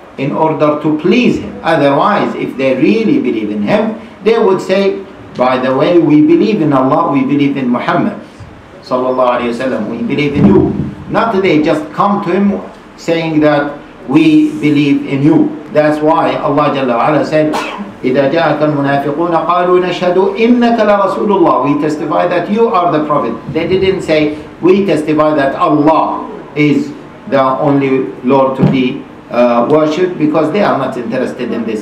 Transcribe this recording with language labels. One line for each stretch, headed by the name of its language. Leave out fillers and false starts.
English: In order to please him. Otherwise, if they really believe in him, they would say, by the way, we believe in Allah, we believe in Muhammad sallallahu alayhi wa sallam, we believe in you. Not they just come to him saying that we believe in you. That's why Allah Jalla wa Ala said,
Arabic: إِذَا جَاءَكَ الْمُنَافِقُونَ قَالُوا نَشْهَدُ إِنَّكَ لَرَسُولُ اللَّهِ.
English: We testify that you are the Prophet. They didn't say, we testify that Allah is the only Lord to be worshipped, because they are not interested in this.